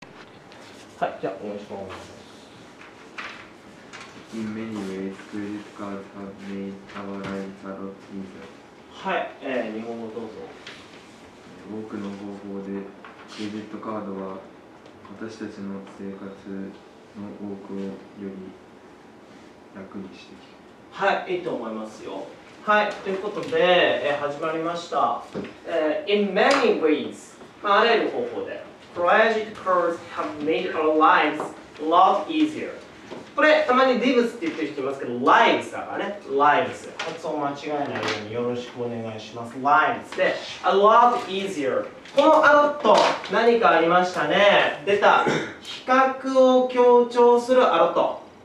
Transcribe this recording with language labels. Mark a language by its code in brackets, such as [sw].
[ja] はい、じゃあお願いします。 [en] In many ways, credit cards have made our lives a lot easier. [ja] はい、日本語どうぞ。多くの方法でクレジットカードは私たちの生活の多くをより楽にしてきた。はい、いいと思いますよ。はい、ということで、始まりました。 [en] In many ways、 [ja] あらゆる方法で、 [en] credit cards have made our lives a lot easier。 [ja] これ、たまに Divs って言ってる人いますけど、Lives だからね、Lives。発音間違えないようによろしくお願いします。 [en] Lives で、A lot easier。 [ja] このアロット、何かありましたね。出た。比較を強調するアロット。